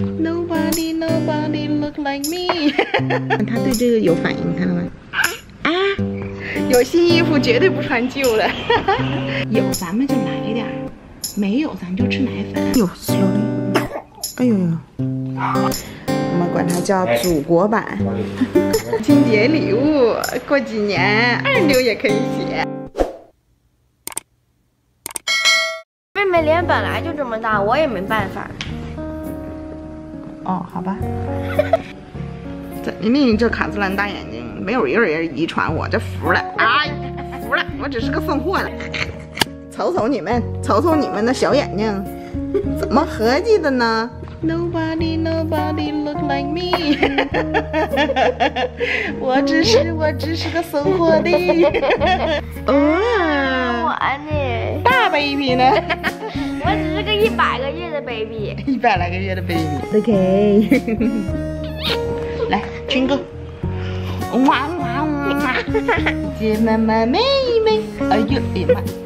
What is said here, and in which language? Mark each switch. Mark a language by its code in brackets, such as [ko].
[en] Nobody, nobody look like me [zh] 他对这个有反应，看到吗？啊，有新衣服绝对不穿旧了。有咱们就来点，没有咱们就吃奶粉。有有的，哎呦呦，我们管它叫祖国版。春节礼物，过几年二妞也可以写。妹妹脸本来就这么大，我也没办法。哦，好吧。怎么你这卡姿兰大眼睛，没有一个人遗传我，这服了，哎，服了，我只是个送货的。瞅瞅你们，瞅瞅你们的小眼睛，怎么合计的呢？ [en] Nobody, nobody look like me [zh] 我只是个送货的。我呢？大 baby 呢？我只是个一百个月的 baby，一百来个月的 baby。 OK，来，军哥，哇哇哇！姐妈妈妹妹，哎呦哎呀妈！